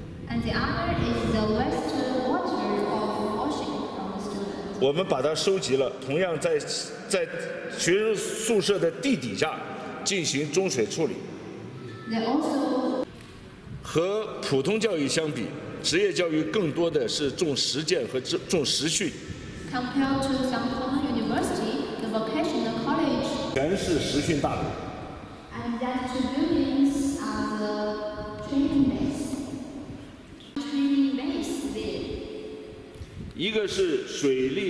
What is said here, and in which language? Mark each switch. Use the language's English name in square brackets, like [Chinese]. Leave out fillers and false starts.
[English] And the other is the wastewater of washing from the students. [Chinese] 我们把它收集了，同样在学生宿舍的地底下进行中水处理。 [English] They also [Chinese] 和普通教育相比。职业教育更多的是重实践和重实训。 [English] Compared to some common university, the vocational college [Chinese] 全是实训大楼。 [English] And that two buildings are the training base there.